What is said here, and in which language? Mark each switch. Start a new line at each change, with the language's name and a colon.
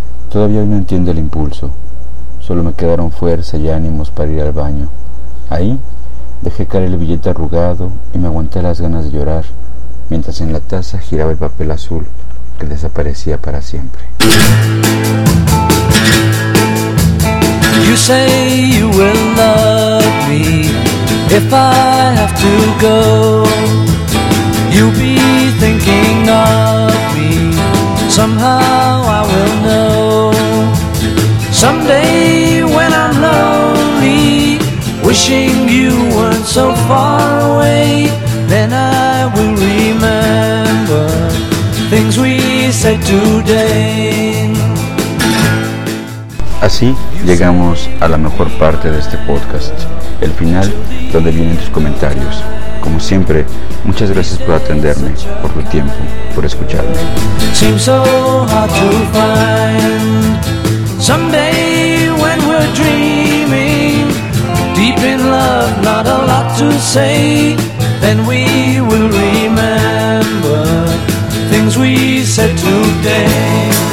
Spanish: Todavía no entiendo el impulso, solo me quedaron fuerza y ánimos para ir al baño. Ahí dejé caer el billete arrugado y me aguanté las ganas de llorar, mientras en la taza giraba el papel azul que desaparecía para siempre.
English: You say you will love me if I have to go. You'll be thinking of me. Somehow I will know. Someday when I'm lonely, wishing you weren't so far away, then I will remember things we said today.
Spanish: Así llegamos a la mejor parte de este podcast, el final, donde vienen tus comentarios. Como siempre, muchas gracias por atenderme, por tu tiempo, por escucharme.
English: Seems so hard to find. Someday when we're dreaming, deep in love, not a lot to say, then we will remember things we said today.